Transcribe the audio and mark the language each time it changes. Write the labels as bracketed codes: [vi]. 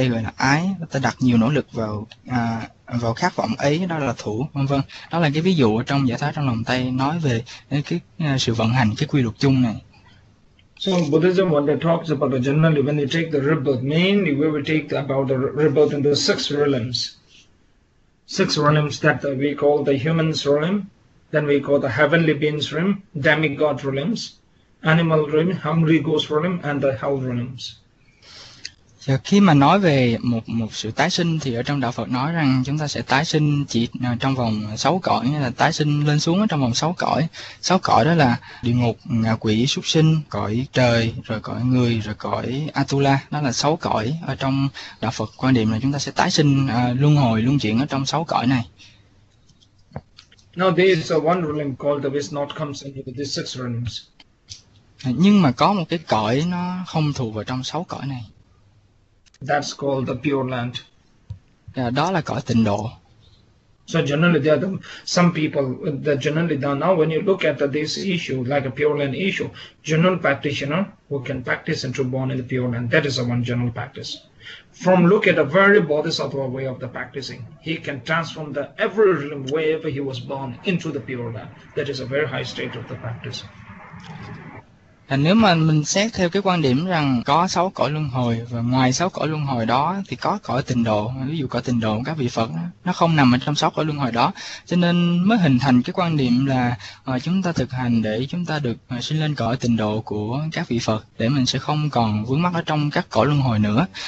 [vi] Đây gọi là ái, ta đặt nhiều nỗ lực vào vào khát vọng ấy, đó là thủ, vân vân. Đó là cái ví dụ ở trong giải thoát trong lòng tay nói về cái sự vận hành, cái quy luật chung này. [en] So Buddhism, when they talks about the generally, when they take the rebirth, mainly we will take about the rebirth in the six realms that we call the humans realm, then we call the heavenly beings realm, demigod realms, animal realm, hungry ghost realm, and the hell realms. [vi] Và khi mà nói về một sự tái sinh thì ở trong đạo Phật nói rằng chúng ta sẽ tái sinh chỉ trong vòng sáu cõi, nghĩa là tái sinh lên xuống ở trong vòng sáu cõi. Sáu cõi đó là địa ngục, ngạ quỷ, súc sinh, cõi trời, rồi cõi người, rồi cõi Atula. Đó là sáu cõi ở trong đạo Phật, quan điểm là chúng ta sẽ tái sinh luân hồi luân chuyển ở trong sáu cõi này. [en] Now there is a one realm called the which not comes into these six realms. [vi] Nhưng mà có một cái cõi nó không thuộc vào trong sáu cõi này. [en] That's called the pure land. [vi] Đó là cõi tịnh độ. [en] So generally there are the, some people that generally done now when you look at the, this issue like a pure land issue, general practitioner who can practice and true born in the pure land, that is a one general practice. From look at a very bodhisattva way of the practicing, he can transform the every realm wherever he was born into the pure land. That is a very high state of the practice. [vi] Thì nếu mà mình xét theo cái quan điểm rằng có sáu cõi luân hồi và ngoài sáu cõi luân hồi đó thì có cõi tịnh độ, ví dụ cõi tịnh độ các vị Phật nó không nằm ở trong sáu cõi luân hồi đó, cho nên mới hình thành cái quan điểm là chúng ta thực hành để chúng ta được sinh lên cõi tịnh độ của các vị Phật, để mình sẽ không còn vướng mắc ở trong các cõi luân hồi nữa.